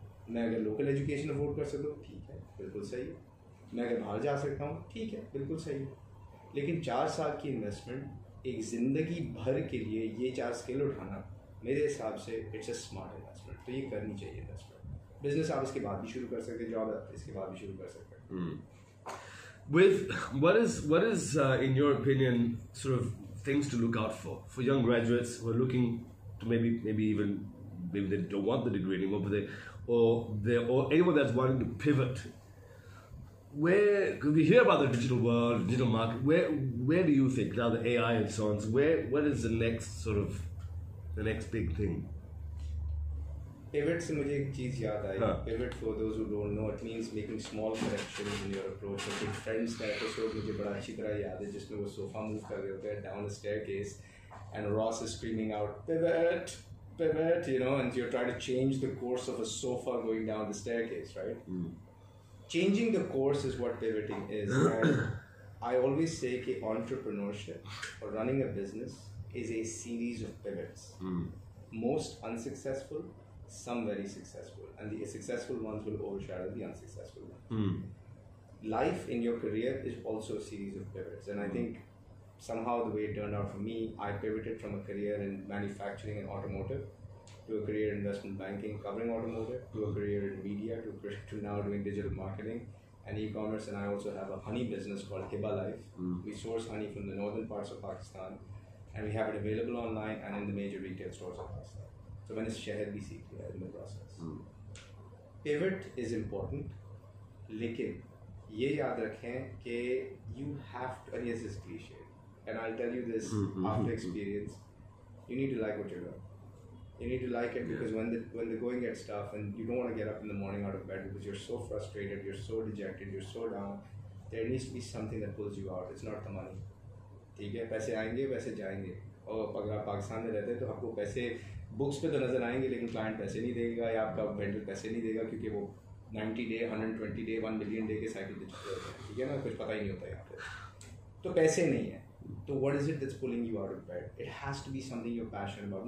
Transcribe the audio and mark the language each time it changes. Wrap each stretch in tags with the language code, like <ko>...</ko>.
<hi>मैं अगर local education afford कर सकता हूँ, ठीक है, बिल्कुल सही. मैं अगर बाहर जा सकता हूँ, ठीक है, बिल्कुल सही. लेकिन 4 साल की इन्वेस्टमेंट एक ज़िंदगी भर के लिए, ये 4 skill उठाना, मेरे हिसाब से</hi> <en>It's a smart investment.</en> <hi>तो ये करनी चाहिए इन्वेस्टमेंट. बिजनेस आप इसके बाद भी शुरू कर सकते हैं, जॉब आप इसके बाद भी शुरू कर सकते हैं.</hi> <en>With what is in your opinion sort of things to look out for young graduates who are looking to maybe they don't want the degree anymore, but or anyone that's wanting to pivot, where, because we hear about the digital world, digital market, where do you think now, the AI and so on, so what is the next big thing?</en> <hi>Pivot से मुझे एक चीज़ याद आई.</hi> <en>Pivot, for those who don't know, it means making small corrections in your approach.</en> <hi>एक friends का episode मुझे बड़ा अच्छी तरह याद है जिसमें वो सोफा मूव कर रहे होते हैं</hi> <en>Down a staircase and Ross is screaming out pivot pivot, you know, and you are trying to change the course of a sofa going down the staircase, right? Changing the course is what pivoting is. I always say कि entrepreneurship और running a business is a series of pivots. Most unsuccessful, some very successful, and the successful ones will overshadow the unsuccessful ones. Life in your career is also a series of pivots, and I think somehow the way it turned out for me, I pivoted from a career in manufacturing and automotive to a career in investment banking covering automotive, to a career in media, to now doing digital marketing and e-commerce. And I also have a honey business called Hiba Life. We source honey from the northern parts of Pakistan, and we have it available online and in the major retail stores of Pakistan. So when is</en> <hi>shahid bhi seekh liya</hi> <en>in the process. Pivot is important,</en> <hi>lekin ye yaad rakhein ke</hi> <en>you have to, and yes, it's cliche, and I'll tell you this after experience, you need to like what you're doing. You need to like it, because when the going gets tough and you don't want to get up in the morning out of bed because you're so frustrated, you're so dejected, you're so down, there needs to be something that pulls you out. It's not the money.</en> <hi>Theek hai, paise aayenge, paise jayenge. अगर आप पाकिस्तान में रहते हैं तो आपको पैसे books पे तो नजर आएंगे लेकिन क्लाइंट पैसे नहीं देगा या आपका वेंडर पैसे नहीं देगा क्योंकि वो 90 डे 120 डे 1 मिलियन डे के साइकिल दे चुके हैं, ठीक है ना, कुछ पता ही नहीं होता यहाँ पे, तो पैसे नहीं है.</hi> <en>तो what is it that's pulling you out of bed? It has to be something you are passionate about.</en>